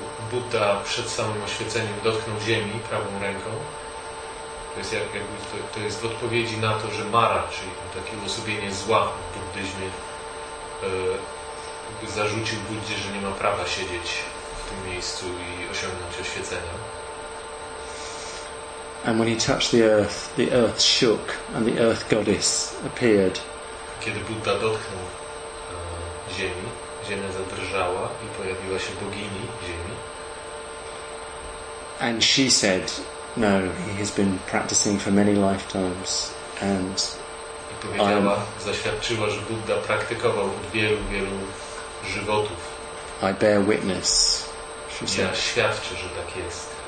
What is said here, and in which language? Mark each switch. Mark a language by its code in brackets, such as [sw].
[pl] Buddha przed samym oświeceniem dotknął ziemi prawą ręką. To jest, to jest w odpowiedzi na to, że Mara, czyli takie uosobienie zła w buddyzmie, zarzucił Buddzie, że nie ma prawa siedzieć w tym miejscu i osiągnąć oświecenia. [en] And when he touched the earth shook and the earth goddess appeared. [pl] Kiedy Buddha dotknął ziemi, ziemia zadrżała i pojawiła się bogini ziemi. [en] And she said, no, he has been practicing for many lifetimes and [pl] i powiedziała, zaświadczyła, że Buddha praktykował od wielu, wielu żywotów. [en] I bear witness, she said. [pl] Ja świadczę, że tak jest.